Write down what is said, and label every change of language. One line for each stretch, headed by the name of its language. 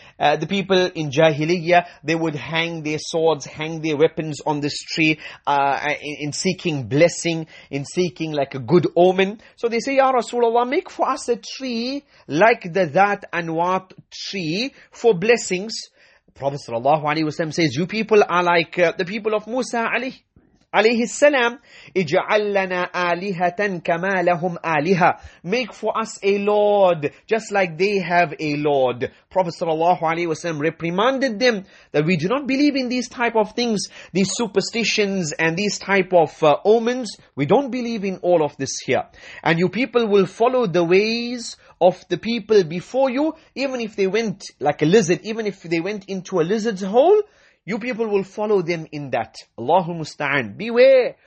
English: The people in Jahiliyyah, they would hang their swords, hang their weapons on this tree, in seeking blessing, in seeking like a good omen. So they say, Ya Rasulullah, make for us a tree like the Dhat Anwat tree for blessings. Prophet sallallahu alaihi wasallam says, you people are like the people of Musa alayhi salam.
Arabic: اجعل لنا آلهة كما لهم آلهة.
English: Make for us a Lord, just like they have a Lord. Prophet sallallahu alaihi wasallam reprimanded them that we do not believe in these type of things, these superstitions and these type of omens. We don't believe in all of this here. And you people will follow the ways of the people before you, even if they went like a lizard, even if they went into a lizard's hole, you people will follow them in that. Allahu musta'an. Beware.